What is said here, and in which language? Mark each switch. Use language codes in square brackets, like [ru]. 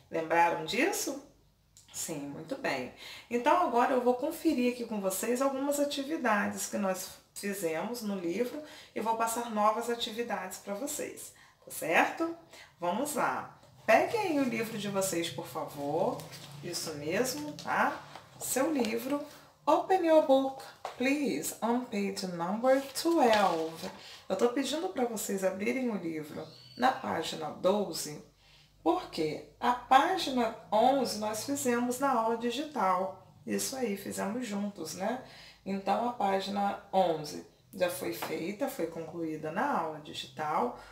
[pt] Lembraram disso? Sim, muito bem. Então agora eu vou conferir aqui com vocês algumas atividades que nós fizemos no livro e vou passar novas atividades para vocês, tá certo? Vamos lá. Peguem aí o livro de vocês, por favor. Isso mesmo, tá? Seu livro. [en] Open your book, please, on page number 12. [pt] Eu tô pedindo para vocês abrirem o livro na página 12. Porque a página 11 nós fizemos na aula digital. Isso aí, fizemos juntos, né? Então a página 11 já foi feita, foi concluída na aula digital.